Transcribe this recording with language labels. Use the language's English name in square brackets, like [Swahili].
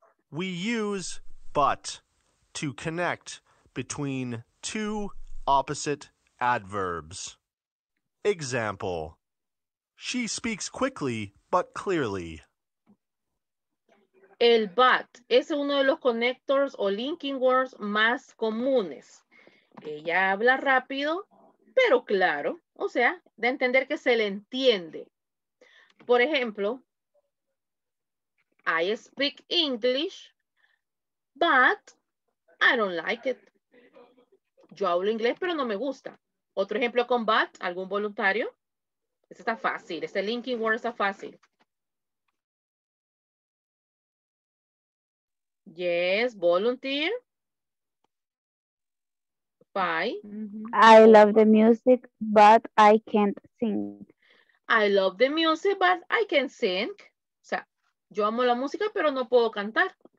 [English] We use but to connect between two opposite adverbs. Example, she speaks quickly but clearly. [Spanish] El but es uno de los connectors o linking words más comunes. Ella habla rápido, pero claro. O sea, de entender que se le entiende. Por ejemplo, [English] I speak English, but I don't like it. [Spanish] Yo hablo inglés, pero no me gusta. Otro ejemplo con but, algún voluntario. Este está fácil, este linking word está fácil. [English] Yes, volunteer. Five. I love the music, but I can't sing. I love the music, but I can't sing. [Spanish] O sea, yo amo la música, pero no puedo cantar.